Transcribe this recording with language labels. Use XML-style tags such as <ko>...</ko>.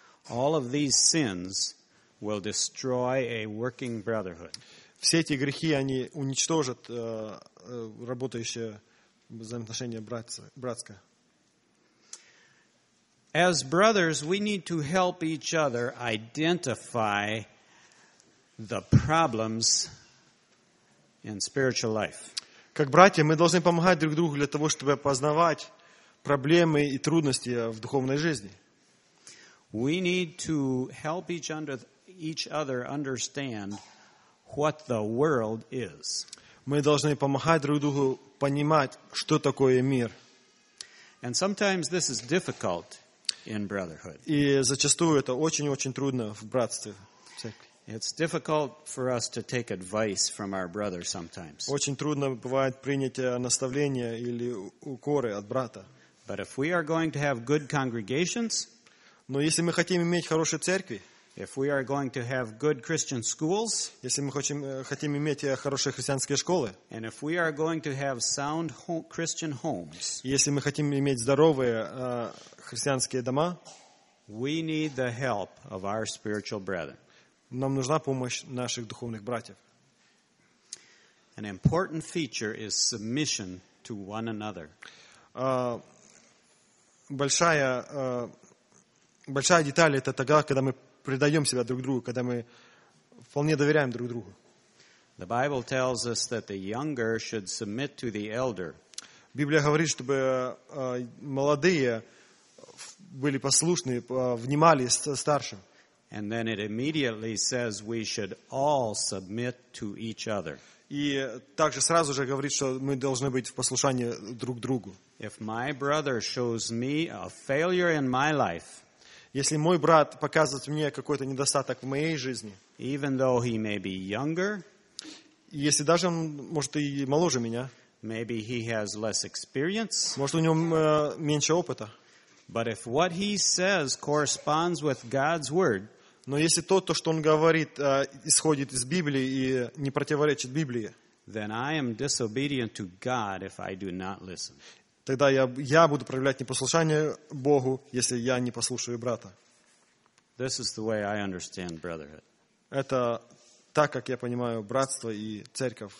<en>All of these sins will destroy a working brotherhood.</en> <ru>Все эти грехи, они уничтожат работающее взаимоотношение братское.</ru> <en>As brothers, we need to help each other identify the problems in spiritual life.</en> <ru>Как братья, мы должны помогать друг другу для того, чтобы познавать проблемы и трудности в духовной жизни.</ru> <en>We need to help each other understand what the world is.</en> <ru>Мы должны помогать друг другу понимать, что такое мир.</ru> <en>And sometimes this is difficult. In brotherhood.</en> <ru>И зачастую это очень-очень трудно в братстве.</ru> <en>It's difficult for us to take advice from our brother sometimes.</en> <ru>Очень трудно бывает принять наставления или укоры от брата.</ru> <en>But if we are going to have good congregations,</en> <ru>но если мы хотим иметь хорошие церкви,</ru> <en>if we are going to have good Christian schools,</en> <ru>если мы хотим иметь хорошие христианские школы,</ru> <en>and if we are going to have sound Christian homes,</en> <ru>если мы хотим иметь здоровые христианские дома,</ru> <en>we need the help of our spiritual brethren.</en> <ru>Нам нужна помощь наших духовных братьев.</ru> <en>An important feature is submission to one another.</en> <ru>Большая деталь это тогда, когда мы предаем себя друг другу, когда мы вполне доверяем друг другу.</ru> <en>The Bible tells us that the younger should submit to the elder.</en> <ru>Библия говорит, чтобы молодые были послушны, внимали старшим.</ru> <en>And then it immediately says we should all submit to each other.</en> <ru>И также сразу же говорит, что мы должны быть в послушании друг другу.</ru> <en>If my brother shows me a failure in my life,</en> <ru>если мой брат показывает мне какой-то недостаток в моей жизни,</ru> <en>even though he may be younger,</en> <ru>если даже он, может, и моложе меня,</ru> <en>maybe he has less experience,</en> <ru>может, у него меньше опыта,</ru> <en>but if what he says corresponds with God's word,</en> <ru>но если то, что он говорит, исходит из Библии и не противоречит Библии,</ru> <en>then I am disobedient to God if I do not listen.</en> <ru>Тогда я буду проявлять непослушание Богу, если я не послушаю брата.</ru> <en>This is the way I understand brotherhood.</en> <ru>Это так, как я понимаю братство и церковь.</ru>